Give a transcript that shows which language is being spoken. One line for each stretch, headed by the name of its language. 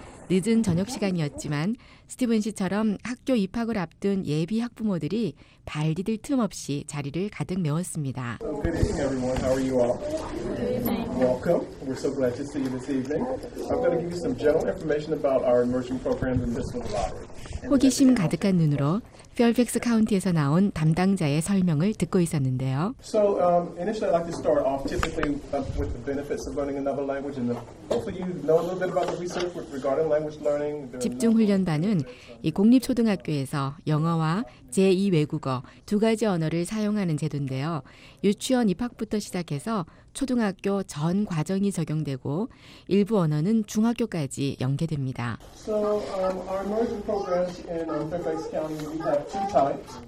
Korean: 늦은 저녁 시간이었지만 스티븐 씨처럼 학교 입학을 앞둔 예비 학부모들이 발 디딜 틈 없이 자리를 가득 메웠습니다.
English: Good evening, everyone. How are you all? Welcome. We're so glad to see you this evening. I'm going to give you some general information about our immersion program in this lottery.
Korean: 호기심 가득한 눈으로 페어팩스 카운티에서 나온 담당자의 설명을 듣고 있었는데요.
English: So initially, I'd like to start off typically with the benefits of learning another language, and hopefully you know a little bit about the research regarding language learning.
Korean: 집중 훈련반은 이 공립 초등학교에서 영어와 제2 외국어 두 가지 언어를 사용하는 제도인데요. 유치원 입학부터 시작해서 초등학교 전 과정이 적용되고 일부 언어는 중학교까지 연계됩니다.
English: So, our immersion programs in Fairfax County, we have two types.